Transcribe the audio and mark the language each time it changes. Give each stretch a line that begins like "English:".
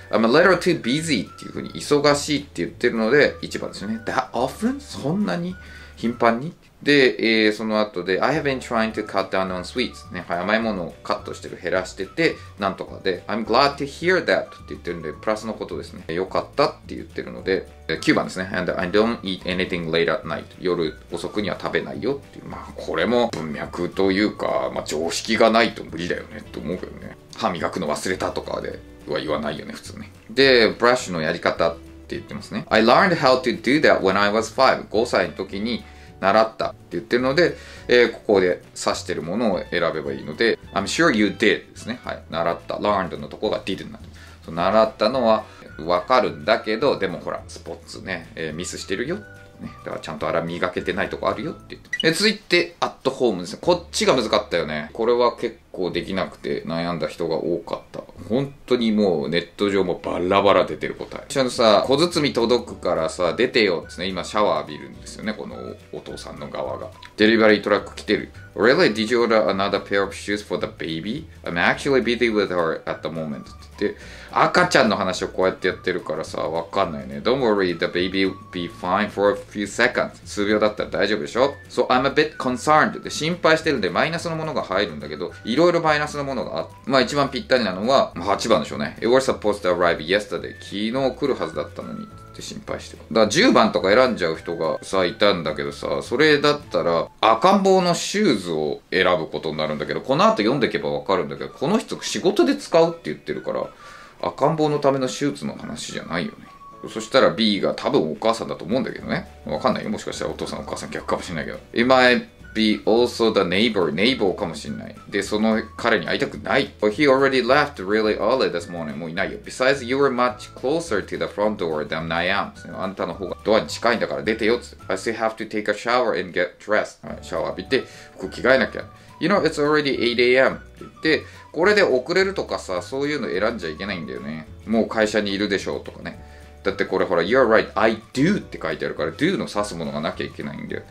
English: I'm a little too busy
Japanese: っていうふうに、忙しいって言ってるので、1番ですよね。
English: that often?
Japanese: そんなに頻繁に？で、その後で、
English: I have been trying to cut down on sweets
Japanese: ね、はい、甘いものをカットしてる、減らしてて、なんとかで、
English: I'm glad to hear that
Japanese: って言ってるんで、プラスのことですね。よかったって言ってるので、9番ですね。
English: And I don't eat anything late at night.
Japanese: 夜遅くには食べないよっていう。まあ、これも文脈というか、まあ、常識がないと無理だよねって思うけどね。歯磨くの忘れたとかでは言わないよね、普通ね。で、ブラッシュのやり方って言ってますね。
English: I learned how to do that when I was 5.
Japanese: 5歳の時に習ったって言ってるので、ここで指してるものを選べばいいので、
English: I'm sure you did
Japanese: ですね。はい。習った。 learned のとこが did になってます。習ったのは、わかるんだけど、でもほら、スポーツね、ミスしてるよ。ね、だからちゃんとあら磨けてないとこあるよって言って。続いて、アットホームですね。こっちが難かったよね。これは結構できなくて悩んだ人が多かった。本当にもうネット上もバラバラ出てる答え。ちゃんとさ、小包み届くからさ、出てよってね、今シャワー浴びるんですよね、このお父さんの側が。デリバリートラック来てる。
English: Really? Did you order another pair of shoes for the baby? I'm actually busy with her at the moment.
Japanese: って言って、赤ちゃんの話をこうやってやってるからさ、わかんないね。
English: Don't worry, the baby will be fine for a few seconds.
Japanese: 数秒だったら大丈夫でしょ ?
English: So I'm a bit concerned.
Japanese: で、心配してるんで、マイナスのものが入るんだけど、いろいろマイナスのものがあって、まあ一番ぴったりなのは、8番でしょうね。
English: It was supposed to arrive yesterday.
Japanese: 昨日来るはずだったのに。って心配してる。だから10番とか選んじゃう人がさ、いたんだけどさ、それだったら赤ん坊のシューズを選ぶことになるんだけど、この後読んでいけばわかるんだけど、この人仕事で使うって言ってるから、赤ん坊のための手術の話じゃないよね。そしたら B が多分お母さんだと思うんだけどね。わかんないよ。もしかしたらお父さんお母さん逆かもしれないけど。
English: It might be also the neighbor, neighbor
Japanese: かもしれない。で、その彼に会いたくない。
English: But he already left really early this morning.
Japanese: もういないよ。
English: Besides, you were much closer to the front door than I am.
Japanese: あんたの方がドアに近いんだから出てよって。
English: I still have to take a shower and get dressed.、
Japanese: はい、シャワー浴びて服着替えなきゃ。
English: You know, it's already 8 a.m.
Japanese: って言って、これで遅れるとかさ、そういうの選んじゃいけないんだよね。もう会社にいるでしょうとかね。だってこれほら、
English: You're right, I do
Japanese: って書いてあるから、do の指すものがなきゃいけないんだよ。